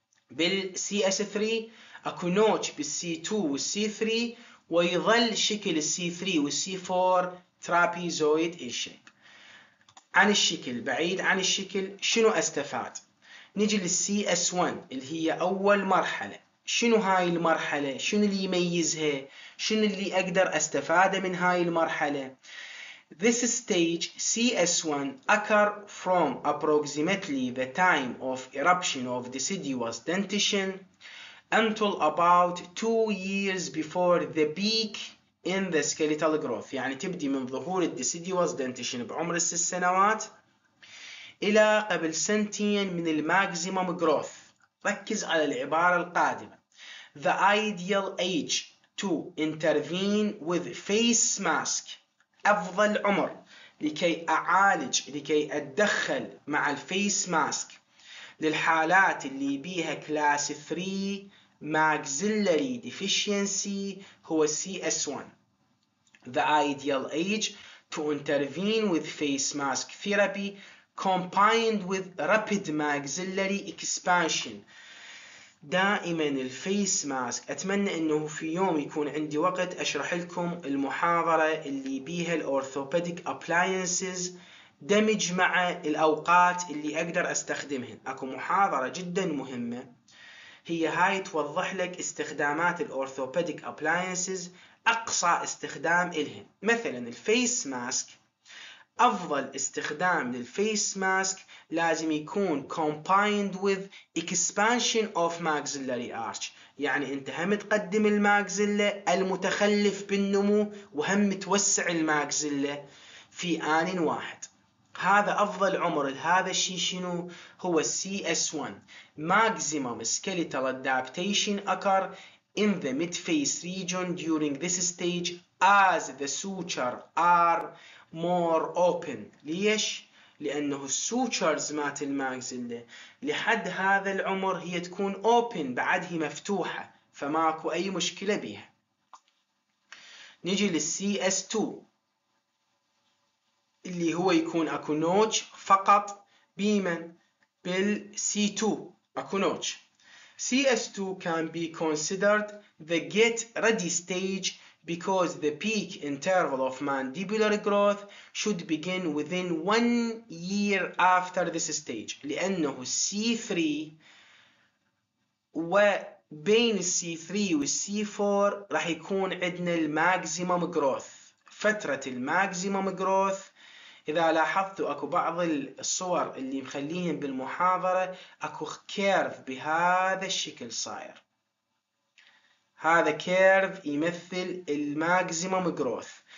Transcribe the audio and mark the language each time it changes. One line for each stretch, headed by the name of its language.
Arabic: بالسي اس 3 اكو نوتش بالسي 2 والسي 3، ويظل شكل السي 3 والسي 4 ترابيزويد ان شيب. عن الشكل بعيد عن الشكل شنو استفاد؟ نجي للسي اس 1 اللي هي اول مرحله. شنو هاي المرحله؟ شنو اللي يميزها؟ شنو اللي اقدر استفاده من هاي المرحله؟
English: This stage CS1 occur from approximately the time of eruption of deciduous dentition until about 2 years before the peak in the skeletal growth.
Arabic: يعني تبدي من ظهور ال deciduous dentition بعمر 6 سنوات إلى قبل سنتين من الماكسيمم جروث ركز على العبارة القادمة.
English: The ideal age to intervene with face mask.
Arabic: أفضل عمر لكي أعالج، لكي أتدخل مع الفيس ماسك للحالات اللي بيها كلاس 3 ماكسيلري ديفيشينسي هو CS1.
English: The ideal age to intervene with face mask therapy combined with rapid maxillary expansion.
Arabic: دائما الفيس ماسك، اتمنى انه في يوم يكون عندي وقت اشرح لكم المحاضره اللي بيها الاورثوبيديك ابلاينسز دمج مع الاوقات اللي اقدر استخدمهن. اكو محاضره جدا مهمه هي هاي، توضح لك استخدامات الاورثوبيديك ابلاينسز اقصى استخدام الهن. مثلا الفيس ماسك، افضل استخدام للفيس ماسك لازم يكون
English: combined with expansion of maxillary arch،
Arabic: يعني انت هم تقدم الماكسيلا المتخلف بالنمو وهم توسع الماكسيلا في آن واحد. هذا افضل عمر لهذا الشيء شنو؟ هو
English: CS1 maximum skeletal adaptation occur in the midface region during this stage as the suture are more open.
Arabic: ليش؟ لانه السوتشرز مات الماكسيلا لحد هذا العمر هي تكون open، بعدها مفتوحة فماكو اي مشكلة بيها. نجي للسي اس 2 اللي هو يكون اكو نوتش فقط بيمن بالسي 2 اكو نوتش.
English: C S 2 can be considered the get ready stage because the peak interval of mandibular growth should begin within 1 year after this stage.
Arabic: لأنه C3 وبين C3 والC4 راح يكون عندنا الماكسيمم جروث، فترة الماكسيمم جروث. إذا لاحظتوا أكو بعض الصور اللي مخليهم بالمحاضرة أكو كيرف بهذا الشكل صاير، هذا كيرف يمثل الماكسيمم جروث.